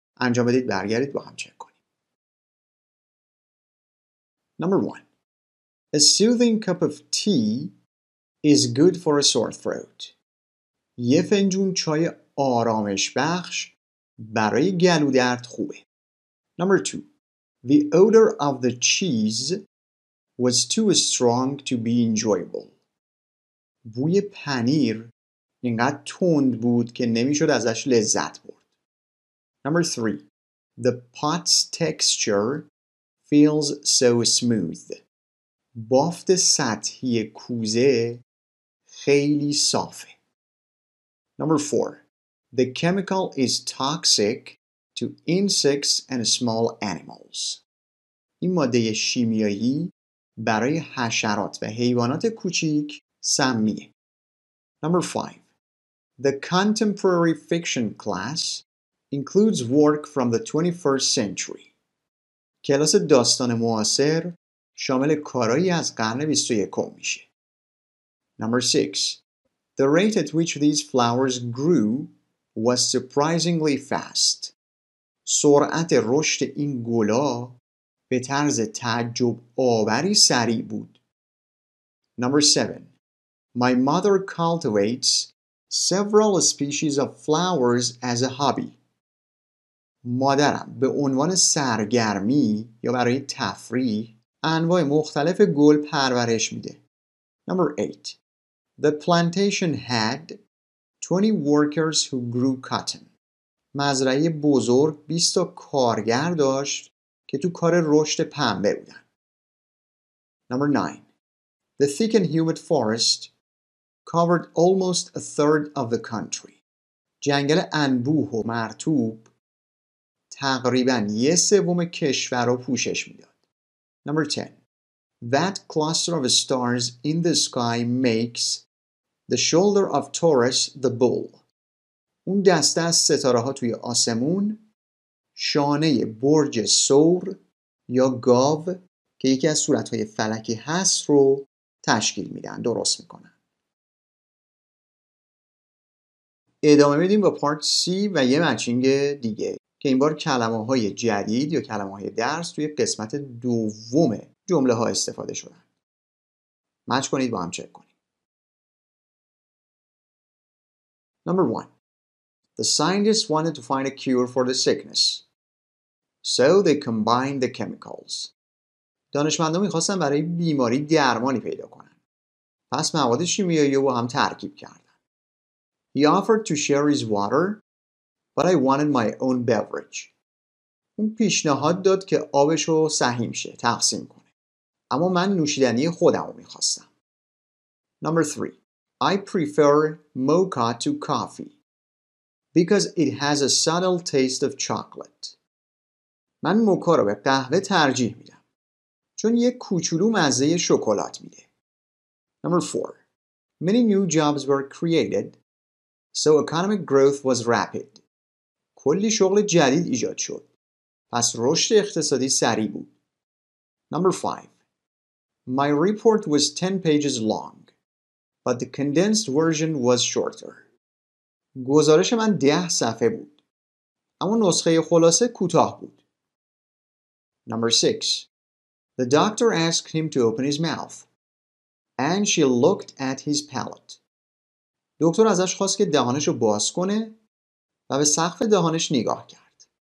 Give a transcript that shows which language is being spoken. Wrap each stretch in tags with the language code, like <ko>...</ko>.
<fa>انجام بدید، برگردید با هم چک کنیم.</fa> <en>Number 1. A soothing cup of tea is good for a sore throat.</en> <fa>یه فنجون چای آرامش بخش برای گلو درد خوبه.</fa> <en>Number 2. The odor of the cheese was too strong to be enjoyable.</en> <fa>بوی پنیر اینقدر تند بود که نمیشد ازش لذت برد.</fa> <en>Number 3. The pot's texture feels so smooth.</en> <fa>بافت سطحی کوزه خیلی صافه.</fa> <en>Number 4. The chemical is toxic to insects and small animals.</en> <fa>این ماده شیمیایی برای حشرات و حیوانات کوچیک سمیه.</fa> <en>Number 5. The contemporary fiction class includes work from the 21st century.</en> <fa>کلاس داستان معاصر شامل کارهایی از قرن 21 میشه.</fa> <en>Number 6. The rate at which these flowers grew was surprisingly fast.</en> <fa>سرعت رشد این گلا به طرز تعجب آوری سریع بود.</fa> <en>Number 7. My mother cultivates several species of flowers as a hobby.</en> <fa>مادرم به عنوان سرگرمی یا برای تفریح انواع مختلف گل پرورش میده.</fa> <en>Number 8. The plantation had 20 workers who grew cotton.</en> <fa>مزرعه بزرگ 20 تا کارگر داشت که تو کار رشد پنبه بودن.</fa> <en>Number 9. The thick and humid forest covered almost a third of the country.</en> <fa>جنگل انبوه و مرطوب تقریبا یه سوم کشور رو پوشش میداد.</fa> <en>Number 10. That cluster of stars in the sky makes the shoulder of Taurus the bull.</en> <fa>اون دسته از ستاره ها توی آسمون شانه برج سور یا گاو که یکی از صورت‌های فلکی هست رو تشکیل میدن، درست میکنن. ادامه میدیم با پارت C و یه مچینگ دیگه که این بار کلمه‌های جدید یا کلمه‌های درس توی قسمت دوم جمله ها استفاده شدن. مچ کنید با هم چک کنید.</fa> <en>Number 1. The scientists wanted to find a cure for the sickness. So they combined the chemicals.</en> <fa>دانشمندان می‌خواستن برای بیماری درمانی پیدا کنن. پس مواد شیمیایی رو با هم ترکیب کردن.</fa> <en>He offered to share his water, but I wanted my own beverage.</en> <fa>اون پیشنهاد داد که آبش رو سهیم شه، تقسیم کنه. اما من نوشیدنی خودم رو می‌خواستم.</fa> <en>Number 3. I prefer mocha to coffee because it has a subtle taste of chocolate.</en> <fa>من موکا رو به قهوه ترجیح میدم چون یه کوچولو مزه شکلات میده.</fa> <en>Number 4. Many new jobs were created, so economic growth was rapid.</en> <fa>کلی شغل جدید ایجاد شد. پس رشد اقتصادی سریع بود.</fa> <en>Number 5. My report was 10 pages long, but the condensed version was shorter.</en> <fa>گزارش من 10 صفحه بود. اما نسخه خلاصه کوتاه بود.</fa> <en>Number 6. The doctor asked him to open his mouth, and she looked at his palate.</en> <fa>دکتر ازش خواست که دهانشو باز کنه و به سقف دهانش نگاه کرد.</fa>